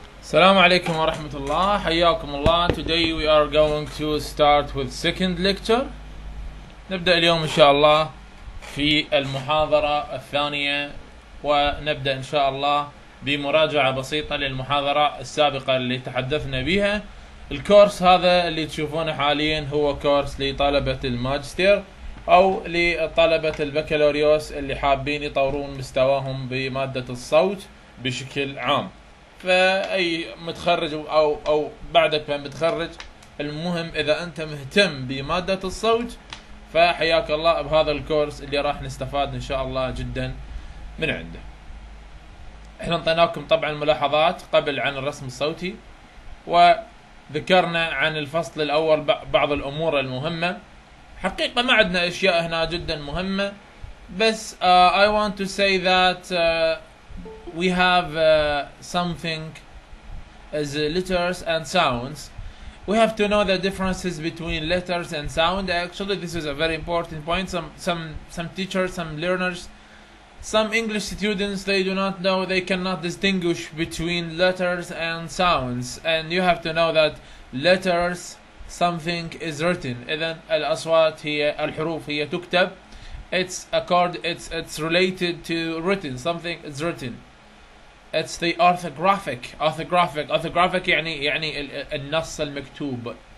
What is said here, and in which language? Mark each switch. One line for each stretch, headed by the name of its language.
Arabic: السلام عليكم ورحمة الله، حياكم الله.
English: Today we are going to start with second lecture.
Arabic: نبدأ اليوم إن شاء الله في المحاضرة الثانية، ونبدأ إن شاء الله بمراجعة بسيطة للمحاضرة السابقة اللي تحدثنا بها. الكورس هذا اللي تشوفونه حاليا هو كورس لطلبة الماجستير أو لطلبة البكالوريوس اللي حابين يطورون مستواهم بمادة الصوت بشكل عام. فأي متخرج أو بعدك متخرج، المهم إذا أنت مهتم بمادة الصوت فحياك الله بهذا الكورس اللي راح نستفاد إن شاء الله جدا من عنده. إحنا انطيناكم طبعا ملاحظات قبل عن الرسم الصوتي، وذكرنا عن الفصل الأول بعض الأمور المهمة. حقيقة ما عندنا أشياء هنا جدا مهمة، بس
English: I want to say that we have something as letters and sounds. We have to know the differences between letters and sound. Actually, this is a very important point. Some teachers, some learners, some English students, they do not know, they cannot distinguish between letters and sounds. And you have to know that letters, something is written.
Arabic: إذن الأصوات هي الحروف هي تكتب.
English: It's related to written. Something is written. It's the orthographic
Arabic: يعني النص المكتوب.